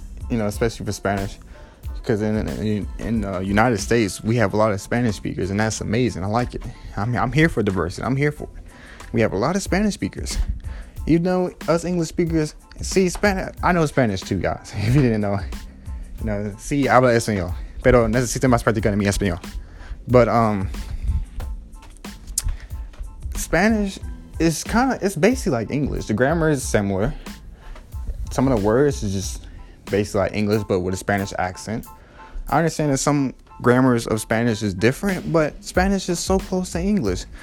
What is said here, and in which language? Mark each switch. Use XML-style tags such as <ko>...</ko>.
<en>You know, especially for Spanish, because in the United States, we have a lot of Spanish speakers, and that's amazing. I like it. I'm here for diversity. I'm here for it. We have a lot of Spanish speakers. You know, us English speakers, see, Spanish, I know Spanish too, guys, if you didn't know.</en> <es>You know, sí, habla español, pero necesito más práctica en mi español.</es> <en>But, Spanish is kind of, it's basically like English. The grammar is similar. Some of the words is just basically like English, but with a Spanish accent. I understand that some grammars of Spanish is different, but Spanish is so close to English.</en>